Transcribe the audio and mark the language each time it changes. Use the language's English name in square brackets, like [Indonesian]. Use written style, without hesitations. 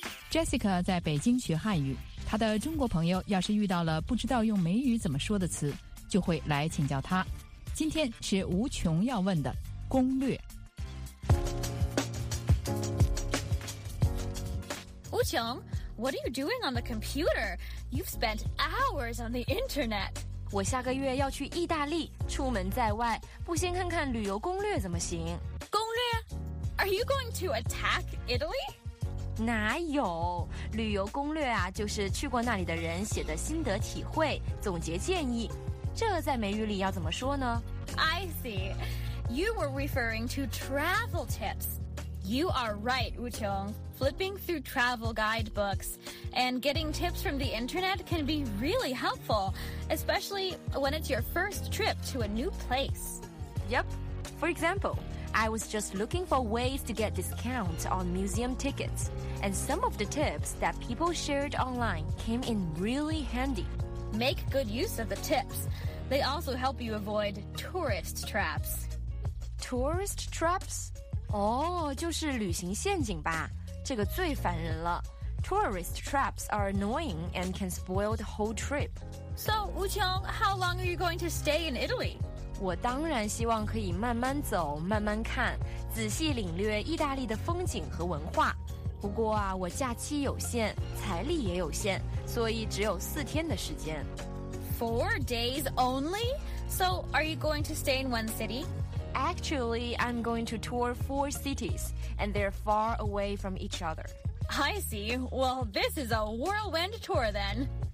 [Chinese] Jessica 在北京学汉语，她的中国朋友要是遇到了不知道用美语怎么说的词，就会来请教她。今天是无穷要问的攻略。 [English] 无穷， What are you doing on the computer? You've spent hours on the internet. [Chinese] 我下个月要去意大利，出门在外，不先看看旅游攻略怎么行？ [English] Are you going to attack Italy? [Chinese] 哪有？旅游攻略啊，就是去过那里的人写的心得体会，总结建议。这在美语里要怎么说呢？ [English] I see. You were referring to travel tips. You are right, Wu Qiong. Flipping through travel guidebooks and getting tips from the internet can be really helpful, especially when it's your first trip to a new place. Yep. For example,I was just looking for ways to get discounts on museum tickets, and some of the tips that people shared online came in really handy. Make good use of the tips. They also help you avoid tourist traps. Tourist traps? [Chinese] Oh, 就是旅行陷阱吧，这个最烦人了。 [English] Tourist traps are annoying and can spoil the whole trip. So, Wu Qiong, how long are you going to stay in Italy? [Chinese] 我当然希望可以慢慢走，慢慢看，仔细领略意大利的风景和文化。不过啊，我假期有限，财力也有限，所以只有四天的时间。 [English] Four days only? So are you going to stay in one city? Actually, I'm going to tour four cities, and they're far away from each other. I see. Well, this is a whirlwind tour then.